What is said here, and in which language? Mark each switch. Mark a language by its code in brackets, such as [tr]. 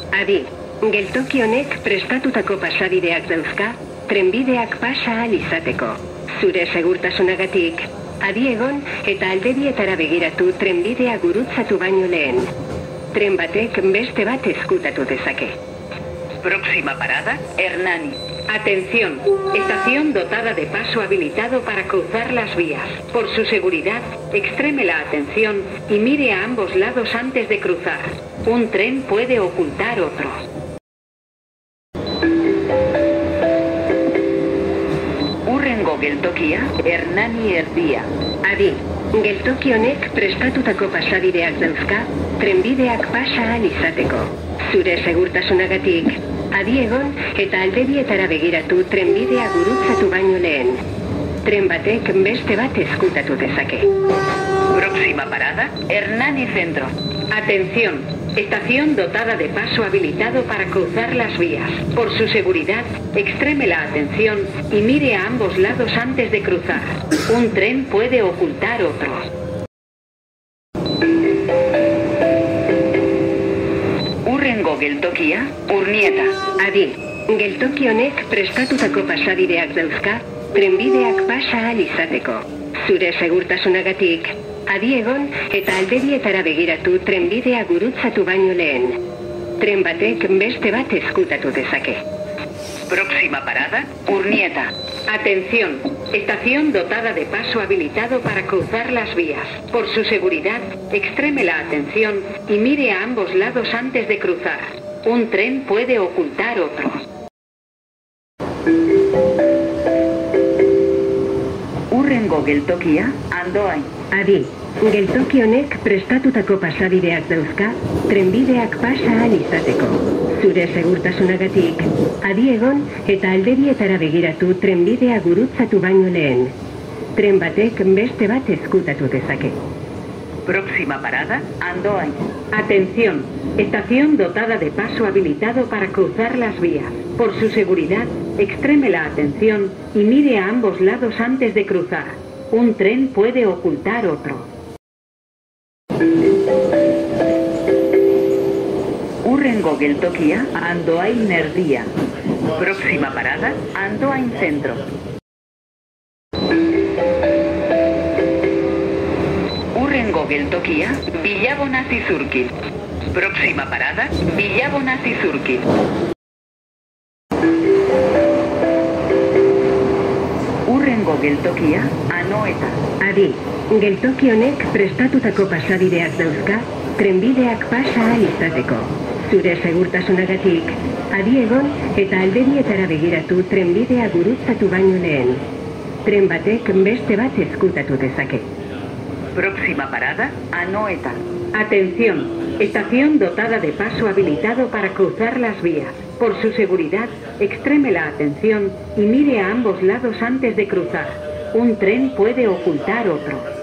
[eu] Adi, geltoki honek prestatutako pasabideak dauzka, trenbideak pasa ahal izateko. Zure segurtasunagatik, adi egon eta aldebietara begiratu trenbidea gurutzatu baino lehen. Tren batek beste bat ezkutatu dezake. [es] Próxima parada, Hernani. Atención, estación dotada de paso habilitado para cruzar las vías. Por su seguridad, extreme la atención y mire a ambos lados antes de cruzar. Un tren puede ocultar otro. [eu] Urrengo geltokia, Hernani Erdia. Adi, geltoki honek prestatutako pasabideak dauzka, trenbideak pasa ahal izateko. Zure segurtasunagatik, adi egon eta aldebietara begiratu trenbidea gurutzatu baino lehen. Tren batek beste bat ezkutatu dezake. [es] Próxima parada, Hernani Centro. Atención, estación dotada de paso habilitado para cruzar las vías. Por su seguridad, extreme la atención y mire a ambos lados antes de cruzar. Un tren puede ocultar otro. [eu] Urrengo geltokia, Urnieta. Adi, geltoki honek prestatutako pasabideak dauzka, trenbideak pasa ahal izateko. Zure segurtasunagatik, adi egon eta aldebietara begiratu trenbidea gurutzatu baino lehen. Tren batek beste bat eskutatu dezake. [es] Próxima parada, Urnieta. Atención, estación dotada de paso habilitado para cruzar las vías. Por su seguridad, extreme la atención y mire a ambos lados antes de cruzar. Un tren puede ocultar otro. [eu] Urrengo geltokia, andoain. Adi, geltoki honek prestatutako pasabideak dauzka, trenbideak pasa ahal izateko. Zure segurtasunagatik, adi egon eta aldebietara begiratu trenbidea gurutzatu baino lehen. Tren batek beste bat ezkutatu dezake. [es] Próxima parada, andoain. Atención, estación dotada de paso habilitado para cruzar las vías. Por su seguridad, extreme la atención y mire a ambos lados antes de cruzar. Un tren puede ocultar otro. [eu] Urrengo geltokia, Andoain erdia. [es] Próxima parada, Andoain centro. [eu] Urrengo geltokia, Villabonazi zurkil. [es] Próxima parada, Villabonazi zurkil. [eu] Urrengo geltokia, Anoeta. Adi, geltoki honek prestatutako pasabideak dauzka, trenbideak pasa ahal izateko. Zure segurtasunagatik, adi egon eta aldebietara begiratu trenbidea gurutzatu baino lehen. Tren batek beste bat ezkutatu dezake. [es] Próxima parada, Anoeta. Atención, estación dotada de paso habilitado para cruzar las vías. Por su seguridad, extreme la atención y mire a ambos lados antes de cruzar. Un tren puede ocultar otro.